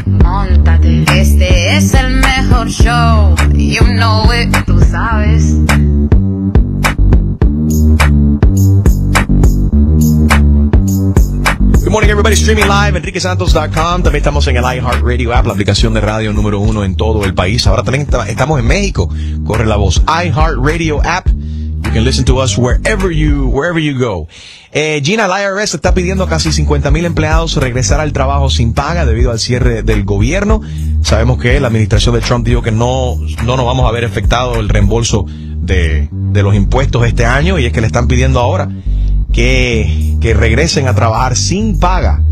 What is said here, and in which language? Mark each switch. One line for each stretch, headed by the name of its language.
Spanish: Móntate, este es el mejor show,
English: you know it.
Spanish: Tú sabes.
English: Good morning, everybody. Streaming live, EnriqueSantos.com.
Spanish: También estamos en el iHeartRadio app, la aplicación de radio número uno en todo el país. Ahora también estamos en México. Corre la voz. iHeartRadio app.
English: You can listen to us wherever you go.
Spanish: Gina, el IRS está pidiendo a casi 50,000 empleados regresar al trabajo sin paga debido al cierre del gobierno. Sabemos que la administración de Trump dijo que no nos vamos a ver afectado el reembolso de los impuestos este año, y es que le están pidiendo ahora que regresen a trabajar sin paga.